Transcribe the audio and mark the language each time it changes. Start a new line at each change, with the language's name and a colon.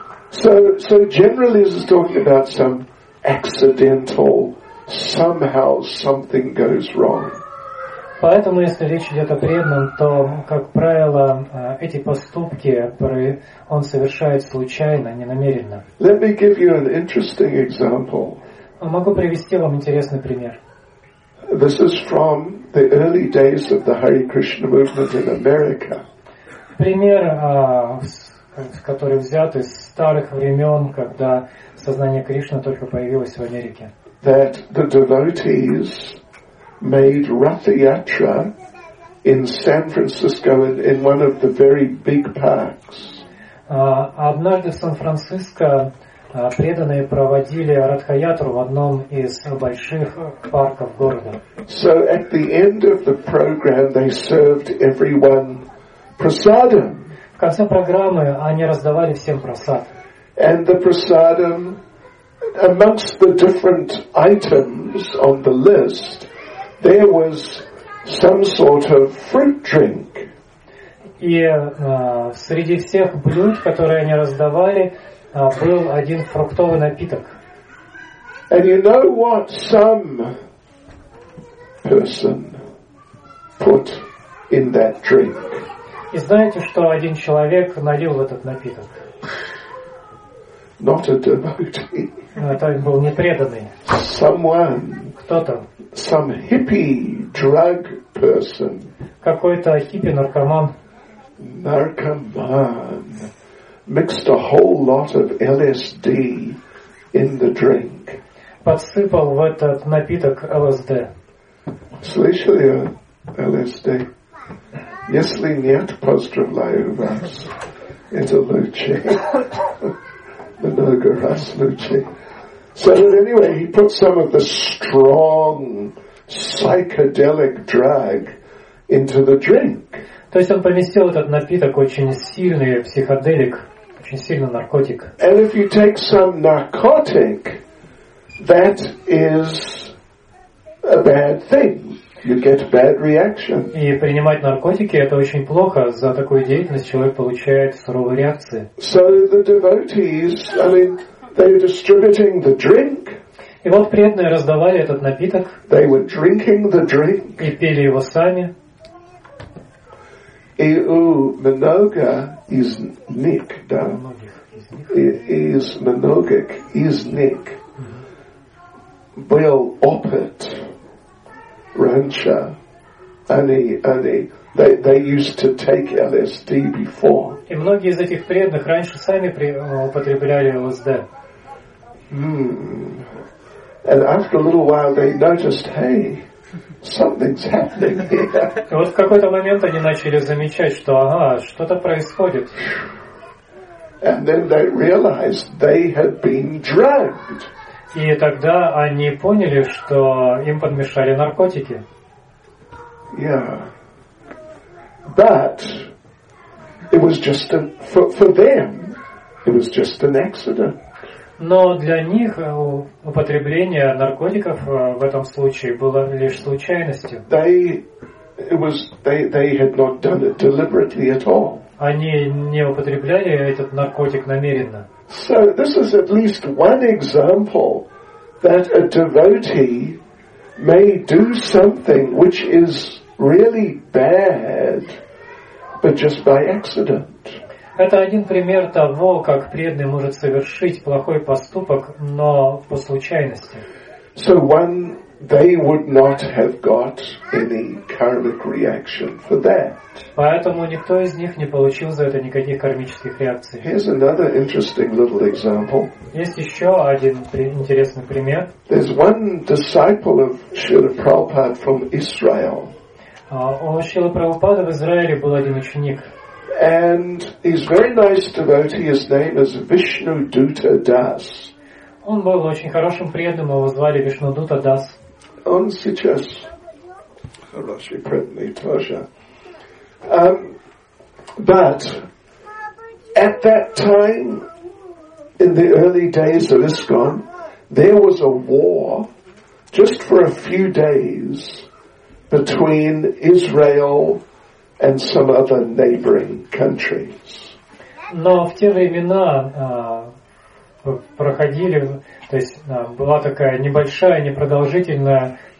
English: So generally this is talking about some accidental. Somehow something goes wrong.
Russian: Поэтому, если речь идет о преданном, то, как правило, эти поступки он совершает случайно, ненамеренно.
English: Let me give you an interesting example.
Russian: Могу привести вам интересный пример.
English: This is from the early days of the Hare Krishna movement in America.
Russian: Пример, который взят из старых времен, когда сознание Кришны только появилось в Америке.
English: That the devotees made Rath Yatra in San Francisco in one of the very big parks.
Russian: Однажды в Сан-Франциско преданные проводили Ратха-Ятру в одном из больших парков города.
English: So at the end of the program they served everyone prasadam.
Russian: В конце программы они раздавали всем прасад.
English: And the prasadam amongst the different items on the list there was some sort of fruit drink.
Russian: И среди всех блюд, которые они раздавали, был один фруктовый напиток.
English: And you know what some person put in that drink?
Russian: И знаете, что один человек налил в этот напиток?
English: Not a devotee.
Russian: Это был непреданный.
English: Someone.
Russian: Кто-то.
English: Some hippie drug person.
Russian: Какой-то хиппи-наркоман. Наркоман.
English: Mixed a whole lot of LSD in the drink.
Russian: Подсыпал в этот напиток ЛСД. Слышали о ЛСД? Если нет, поздравляю вас. Это лучше. Много раз лучше.
English: So anyway, he put some of the strong psychedelic drug into the drink.
Russian: То есть он поместил этот напиток, очень сильный психоделик, очень сильный наркотик.
English: And if you take some narcotic, that is a bad thing. You get bad reaction.
Russian: И принимать наркотики это очень плохо. За такую деятельность человек получает суровые реакции.
English: So the devotees, I mean, they were distributing the drink.
Russian: И вот преданные раздавали этот напиток.
English: They were drinking the drink.
Russian: И пили его сами. И у много из них, да, из многих из них был опыт.
English: Rancher,
Russian: они,
English: they used to take LSD before.
Russian: И многие из этих преданных раньше сами употребляли ЛСД.
English: And after a little while, they noticed, hey, something's happening here.
Russian: И вот в какой-то момент они начали замечать, что, ага, что-то происходит.
English: And then they realized they had been drugged.
Russian: И тогда они поняли, что им подмешали наркотики.
English: Yeah. But it was just for them, it was just an accident.
Russian: Но для них употребление наркотиков в этом случае было лишь случайностью.
English: They had not done it deliberately at all.
Russian: Они не употребляли этот наркотик намеренно.
English: So this is at least one example that a devotee may do something which is really bad, but just by accident.
Russian: Это один пример того, как преданный может совершить плохой поступок, но по случайности.
English: So one, they would not have got any karmic reaction for that.
Russian: Поэтому никто из них не получил за это никаких кармических реакций.
English: Here's another interesting little example.
Russian: Есть еще один интересный пример.
English: There's one disciple of Srila Prabhupada from Israel.
Russian: У Шрилы Прабхупады в Израиле был один ученик.
English: And he's very nice devotee. His name is Vishnu Dutta Das.
Russian: Он был очень хорошим преданным, его звали Вишнудутта Дас. Он сейчас хороший преданный тоже.
English: But at that time, in the early days of ISKCON, there was a war, just for a few days, between Israel and some other neighboring countries.
Russian: Но в те времена проходили, то есть была такая небольшая, непродолжительная